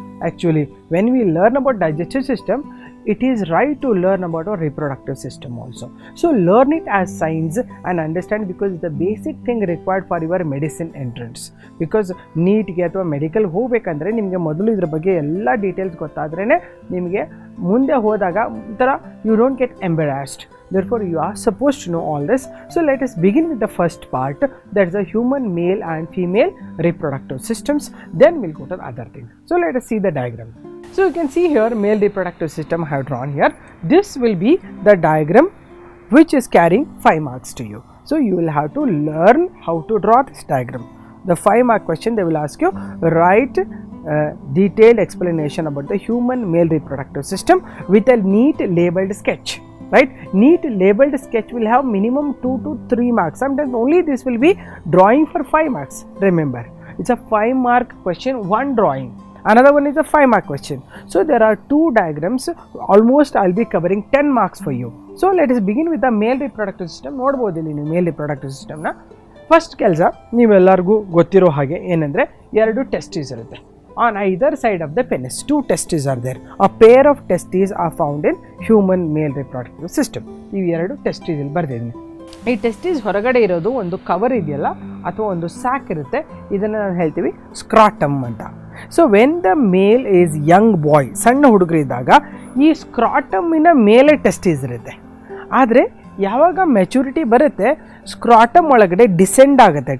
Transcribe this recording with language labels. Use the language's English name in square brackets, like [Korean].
[English] Actually when we learn about digestive system, it is right to learn about our reproductive system also. So learn it as science and understand, because the basic thing required for your medicine entrance. [Kannada] Because ನೀಟ್ಗೆ ಅಥವಾ medical ಹೋಗಬೇಕಂದ್ರೆ ನಿಮಗೆ ಮೊದಲು ಇದ್ರ ಬಗ್ಗೆ ಎಲ್ಲ details ಗೊತ್ತಾದ್ರೇ ನಿಮಗೆ ಮುಂದೆ ಹೋದಾಗ ಒಂಥರ [English] You don't get embarrassed. Therefore, you are supposed to know all this. So, let us begin with the first part, that is the human male and female reproductive systems. Then, we'll go to the other thing. So, let us see the diagram. So, you can see here, male reproductive system I have drawn here. This will be the diagram which is carrying 5 marks to you. So, you will have to learn how to draw this diagram. The 5 mark question, they will ask you, write detailed explanation about the human male reproductive system with a neat labeled sketch. Right, neat labeled sketch will have minimum 2 to 3 marks. Sometimes only this will be drawing for 5 marks. Remember, it's a 5 mark question, one drawing. Another one is a 5 mark question. So there are two diagrams. Almost I'll be covering 10 marks for you. So let us begin with the male reproductive system. [Kannada] ನೋಡಬಹುದು ನೀವು male reproductive system ನ first ಕೆಲಸ ನೀವೆಲ್ಲರಿಗೂ ಗೊತ್ತಿರೋ ಹಾಗೆ ಏನಂದ್ರೆ ಎರಡು testes ಇರುತ್ತೆ. [English] On either side of the penis, two testes are there. A pair of testes are found in human male reproductive system. [Kannada] ಇವು ಎರಡು ಟೆಸ್ಟೀಸ್ ಇಲ್ಲಿ ಬರ್ದಿದ್ದೀನಿ. ಈ ಟೆಸ್ಟೀಸ್ ಹೊರಗಡೆ ಇರೋದು ಒಂದು ಕವರ್ ಇದೆಯಲ್ಲ ಅಥವಾ ಒಂದು ಸ್ಯಾಕ್ ಇರುತ್ತೆ, ಇದನ್ನು ನಾನು ಹೇಳ್ತೀವಿ ಸ್ಕ್ರಾಟಮ್ ಅಂತ. [English] so when the male is young boy, [Kannada] ಸಣ್ಣ ಹುಡುಗರಿದ್ದಾಗ ಈ ಸ್ಕ್ರಾಟಮಿನ ಮೇಲೆ ಟೆಸ್ಟೀಸ್ ಇರುತ್ತೆ. ಆದರೆ ಯಾವಾಗ ಮೆಚುರಿಟಿ ಬರುತ್ತೆ ಸ್ಕ್ರಾಟಮ್ ಒಳಗಡೆ ಡಿಸೆಂಡ್ ಆಗುತ್ತೆ.